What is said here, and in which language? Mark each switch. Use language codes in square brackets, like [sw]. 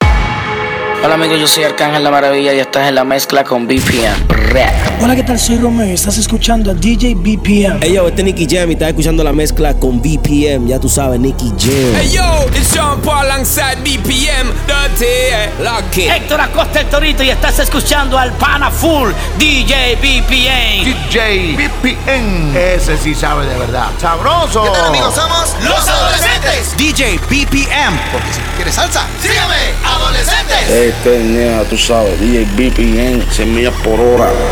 [es] Hola amigos, yo soy Arcángel La Maravilla y estás en la mezcla con BPM. Hola, ¿qué tal? Soy Romeo y estás escuchando a DeejayBpm. Hey yo, este es Nicky Jam y estás escuchando la mezcla con BPM. Ya tú sabes, Nicky Jam. [en] Hey yo, it's Sean Paul alongside BPM, the T-Lucky. [es] Héctor Acosta, el Torito, y estás escuchando al pana full DeejayBpm. DeejayBpm. Ese sí sabe de verdad. ¡Sabroso! ¿Qué tal, amigos? Somos los adolescentes. DeejayBpm. Porque si quieres salsa, sígame, adolescentes. Este es Nea, tú sabes, DeejayBpm, 100 millas por hora.